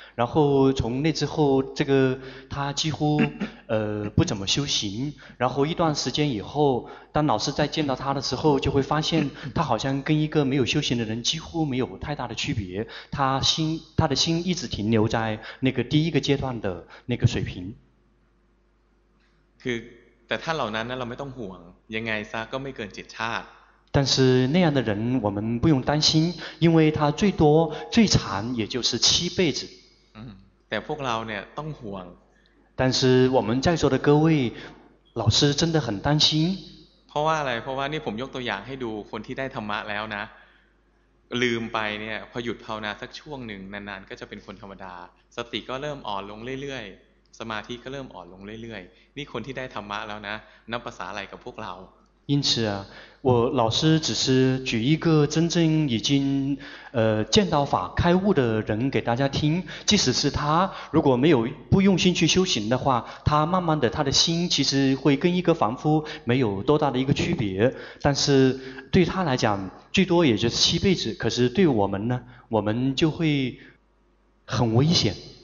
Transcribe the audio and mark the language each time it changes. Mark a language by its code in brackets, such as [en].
[zh] 然后从那之后，这个他几乎不怎么修行。然后一段时间以后，当老师再见到他的时候，就会发现他好像跟一个没有修行的人几乎没有太大的区别。他的心一直停留在那个第一个阶段的那个水平。 [th] แต่ท่านเหล่านั้นเราไม่ต้องห่วงยังไงซะก็ไม่เกินเจ็ดชาติ [zh] 但是那样的人我们不用担心因为他最多最长也就是七辈子 [th] แต่พวกเราเนี่ยต้องห่วง [zh] 但是我们在座的各位老师真的很担心 [th] เพราะว่าอะไรเพราะว่านี่ผมยกตัวอย่างให้ดูคนที่ได้ธรรมะแล้วนะลืมไปเนี่ยพอหยุดภาวนาสักช่วงหนึ่งนานๆก็จะเป็นคนธรรมดาสติก็เริ่มอ่อนลงเรื่อยๆสมาธิก็เริ่มอ่อนลงเรื่อยๆนี่คนที่ได้ธรรมะแล้วนะนับภาษาอะไรกับพวกเรา [zh] 因此啊我老师只是举一个真正已经见到法开悟的人给大家听即使是他如果没有不用心去修行的话他慢慢的他的心其实会跟一个凡夫没有多大的一个区别但是对他来讲最多也就是七辈子可是对我们呢我们就会很危险